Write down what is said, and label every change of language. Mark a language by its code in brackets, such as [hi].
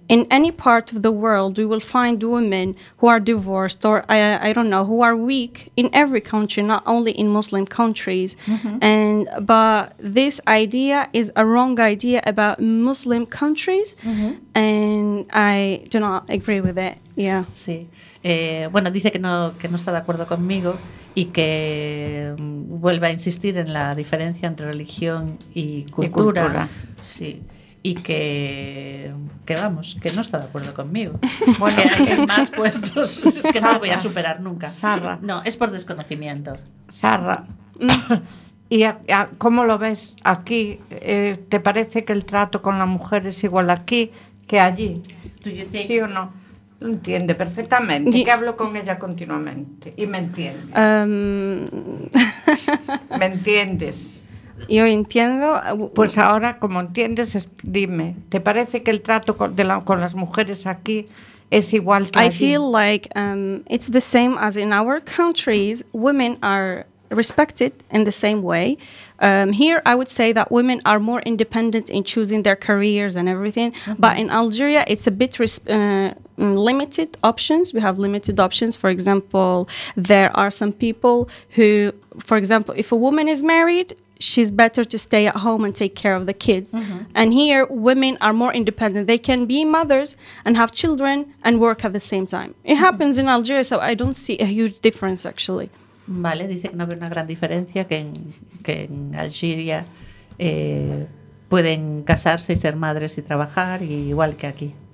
[en] In any part of the world, we will find women who are divorced or, I don't know, who are weak in every country, not only in Muslim countries. Mm-hmm. But this idea is a wrong idea about Muslim countries, and I do not agree with it. Yeah. [es] Sí. Bueno, dice que no está de acuerdo conmigo. Y que vuelva a insistir en la diferencia entre religión y cultura. Y cultura. Sí. Y que vamos, que no está de acuerdo conmigo. Bueno, que hay más puestos que no voy a superar nunca. Sarra. No, es por desconocimiento. Sarra. ¿Y cómo lo ves aquí? ¿Te parece que el trato con la mujer es igual aquí que allí? ¿Sí o no? Lo entiende perfectamente, que hablo con ella continuamente y me entiende. ¿Me entiendes? Yo entiendo. Pues ahora, como entiendes, dime, ¿te parece que el trato con las mujeres aquí es igual que allí? [en] I feel like it's the same as in our countries, women are respected in the same way. Here I would say that women are more independent in choosing their careers and everything, but in Algeria it's a bit limited options. We have limited options. For example, there are some people who, for example, if a woman is married, she's better to stay at home and take care of the kids. And here women are more independent. They can be mothers and have children and work at the same time. It happens in Algeria, so I don't see a huge difference actually. [es] Vale, dice que no veo una gran diferencia, que en Algeria pueden casarse y ser madres y trabajar, y igual que aquí.